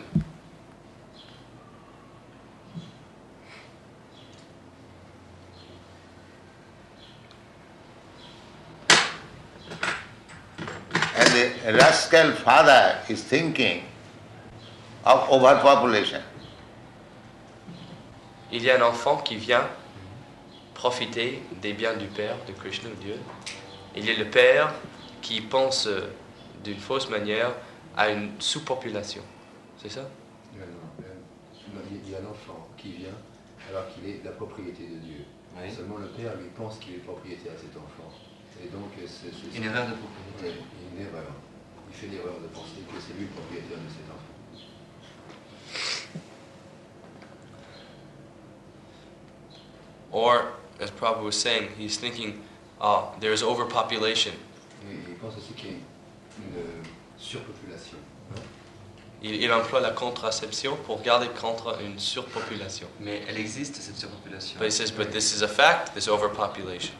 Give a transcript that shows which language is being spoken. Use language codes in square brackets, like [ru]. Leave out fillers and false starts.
[en] And the rascal father is thinking of overpopulation. [fr] Il y a un enfant qui vient profiter des biens du Père, de Krishna, Dieu. Il y a le Père qui pense d'une fausse manière à une sous-population. C'est ça? Non. Il y a un enfant qui vient alors qu'il est la propriété de Dieu. Oui. Seulement le Père lui pense qu'il est propriétaire à cet enfant. Et donc, c'est une erreur de propriété. Oui, une erreur. Il fait l'erreur de penser que c'est lui le propriétaire de cet enfant. [en] Or, as Prabhupada was saying, he's thinking, ah, oh, there is overpopulation. [fr] Il pense aussi qu'il y a une surpopulation. Il emploie la contraception pour garder contre une surpopulation. Mais elle existe, cette surpopulation. [en] But he says, but this is a fact, this overpopulation.